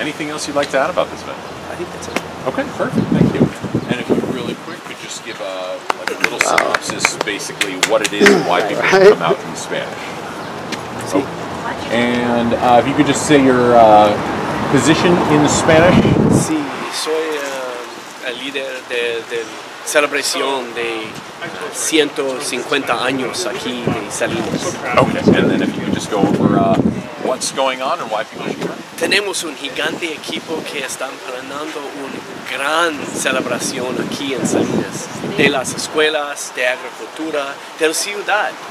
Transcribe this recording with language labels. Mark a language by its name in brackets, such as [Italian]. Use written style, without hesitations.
[English] Anything else you'd like to add about this event? I think that's it. Okay, perfect. Thank you. And if you really quick could just give a little synopsis, basically what it is and why people right. come out in Spanish. Oh. And if you could just say your position in Spanish. [Spanish] Sí, soy el líder de celebración de 150 años aquí en Salinas. [English] Okay, and then if you could just go over what's going on and why people should come. [Spanish] Tenemos un gigante equipo que están planeando una gran celebración aquí en Salinas, de las escuelas, de agricultura, de la ciudad.